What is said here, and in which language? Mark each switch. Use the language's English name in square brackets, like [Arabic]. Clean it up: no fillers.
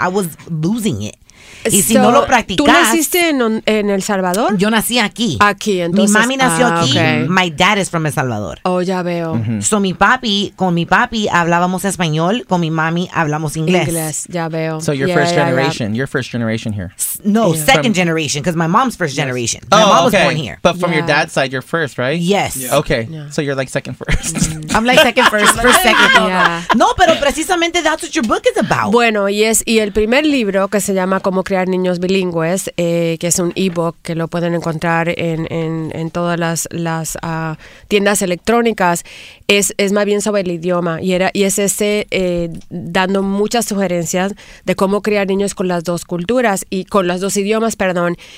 [English] I was losing it. [Spanish] Y si no lo practicas. ¿Tú naciste en El Salvador? Yo nací aquí. Aquí, entonces. Mi mami nació aquí. [English] Okay. My dad is from El Salvador. [Spanish] Oh, ya veo. Mm-hmm. So, con mi papi hablábamos español, con mi mami hablamos inglés. Inglés, ya veo. [English] So, you're first generation here. No, second generation, because my mom's first generation. Yes. My mom was born here. But from your dad's side, you're first, right? Yes. Yeah. Okay, so you're like second first. Mm-hmm. I'm like second first, first second. Yeah. [Spanish] No, pero precisamente [English] that's what your book is about. [Spanish] Bueno, yes. Y el primer libro, que se llama Como crear niños bilingües, que es un ebook que lo pueden encontrar en todas las tiendas electrónicas, es más bien sobre el idioma y es ese dando muchas sugerencias de cómo crear niños con las dos culturas y con los dos idiomas, perdón.